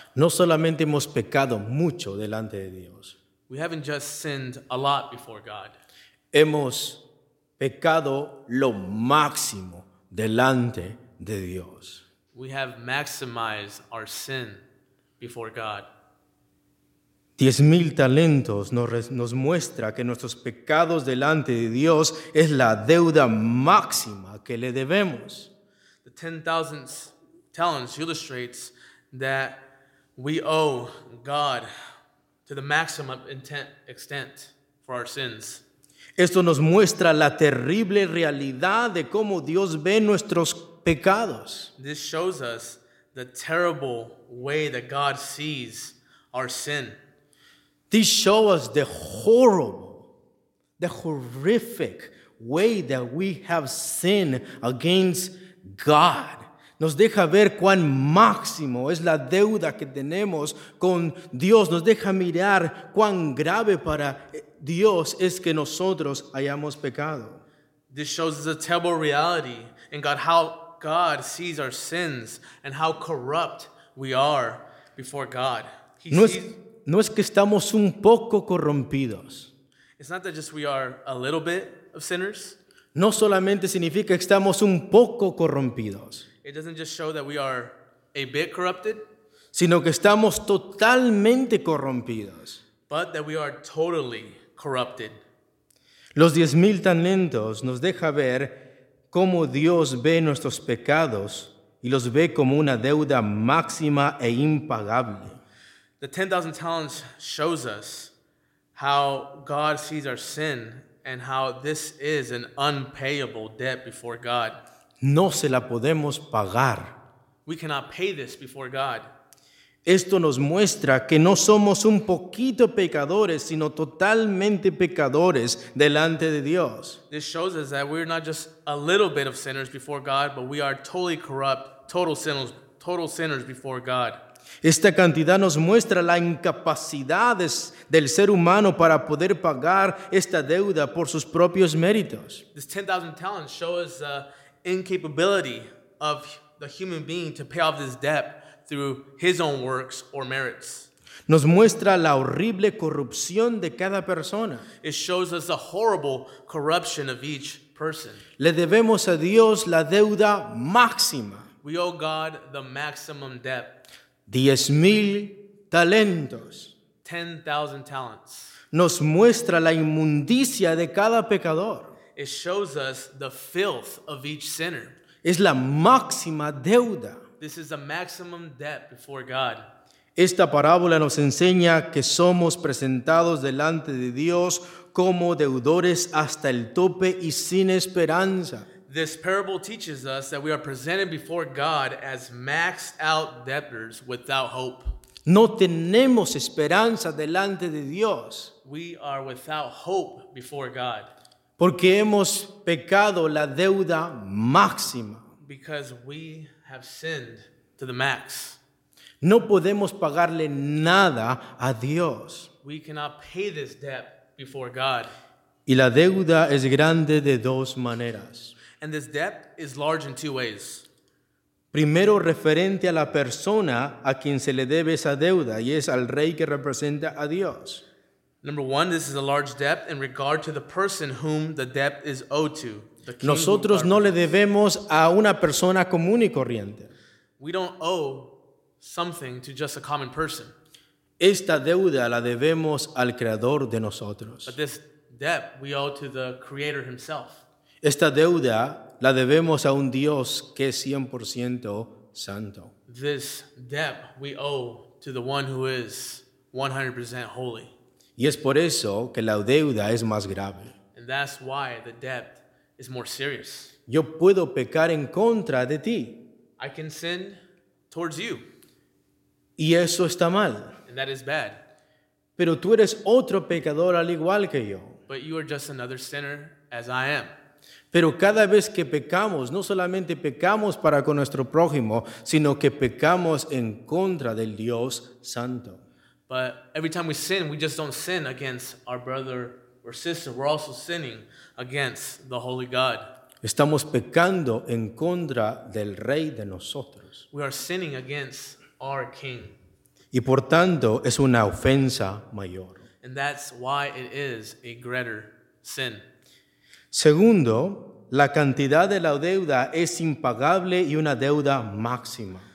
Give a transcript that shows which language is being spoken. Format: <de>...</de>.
<es>No solamente hemos pecado mucho delante de Dios.</es> <en>We haven't just sinned a lot before God.</en> <es>Hemos pecado lo máximo delante de Dios.</es> <en>We have maximized our sin before God.</en> <es>10,000 talentos nos muestra que nuestros pecados delante de Dios es la deuda máxima que le debemos.</es> <en>The 10,000 talents illustrates that we owe God to the maximum extent for our sins.</en> <es>Esto nos muestra la terrible realidad de cómo Dios ve nuestros pecados.</es> <en>This shows us the terrible way that God sees our sin. This shows us the horrible, the horrific way that we have sinned against God.</en> <es>Nos deja ver cuán máximo es la deuda que tenemos con Dios. Nos deja mirar cuán grave para Dios es que nosotros hayamos pecado.</es> <en>This shows the terrible reality in God, how God sees our sins and how corrupt we are before God.</en> <es>No es que estamos un poco corrompidos.</es> <en>It's not that just we are a little bit of sinners.</en> <es>No solamente significa que estamos un poco corrompidos.</es> <en>It doesn't just show that we are a bit corrupted,</en> <es>sino que estamos totalmente corrompidos.</es> <en>but that we are totally corrupted.</en> <es>Los 10,000 talentos nos deja ver cómo Dios ve nuestros pecados y los ve como una deuda máxima e impagable.</es> <en>The 10,000 talents shows us how God sees our sin and how this is an unpayable debt before God.</en> <es>No se la podemos pagar.</es> <en>We cannot pay this before God.</en> <es>Esto nos muestra que no somos un poquito pecadores, sino totalmente pecadores delante de Dios.</es> <en>This shows us that we're not just a little bit of sinners before God, but we are totally corrupt, total sinners before God.</en> <es>Esta cantidad nos muestra la incapacidad del ser humano para poder pagar esta deuda por sus propios méritos.</es> <en>This 10,000 talents show us the incapability of the human being to pay off this debt through his own works or merits.</en> <es>Nos muestra la horrible corrupción de cada persona.</es> <en>It shows us the horrible corruption of each person.</en> <es>Le debemos a Dios la deuda máxima.</es> <en>We owe God the maximum debt.</en> <es>10,000 talentos.</es> <en>10,000 talents.</en> <es>Nos muestra la inmundicia de cada pecador.</es> <en>It shows us the filth of each sinner.</en> <es>Es la máxima deuda.</es> <en>This is the maximum debt before God.</en> <es>Esta parábola nos enseña que somos presentados delante de Dios como deudores hasta el tope y sin esperanza.</es> <en>This parable teaches us that we are presented before God as maxed out debtors without hope.</en> <es>No tenemos esperanza delante de Dios.</es> <en>We are without hope before God.</en> <es>Porque hemos pecado la deuda máxima.</es> <en>Because we have sinned to the max.</en> <es>No podemos pagarle nada a Dios.</es> <en>We cannot pay this debt before God.</en> <es>Y la deuda es grande de dos maneras.</es> <en>And this debt is large in two ways.</en> <es>Primero, referente a la persona a quien se le debe esa deuda, y es al rey que representa a Dios.</es> <en>Number one, this is a large debt in regard to the person whom the debt is owed to.</en> <es>Nosotros no le debemos a una persona común y corriente.</es> <en>We don't owe something to just a common person.</en> <es>Esta deuda la debemos al creador de nosotros.</es> <en>But this debt we owe to the creator himself.</en> <es>Esta deuda la debemos a un Dios que es 100% santo.</es> <en>This debt we owe to the one who is 100% holy.</en> <es>Y es por eso que la deuda es más grave.</es> <en>And that's why the debt is more serious.</en> <es>Yo puedo pecar en contra de ti.</es> <en>I can sin towards you.</en> <es>Y eso está mal.</es> <en>And that is bad.</en> <es>Pero tú eres otro pecador al igual que yo.</es> <en>But you are just another sinner as I am.</en> <es>Pero cada vez que pecamos, no solamente pecamos para con nuestro prójimo, sino que pecamos en contra del Dios Santo.</es> <en>But every time we sin, we just don't sin against our brother or sister. We're also sinning against the Holy God.</en> <es>Estamos pecando en contra del Rey de nosotros.</es> <en>We are sinning against our King.</en> <es>Y por tanto, es una ofensa mayor.</es> <en>And that's why it is a greater sin.</en> <es>Segundo, la cantidad de la deuda es impagable y una deuda máxima.</es>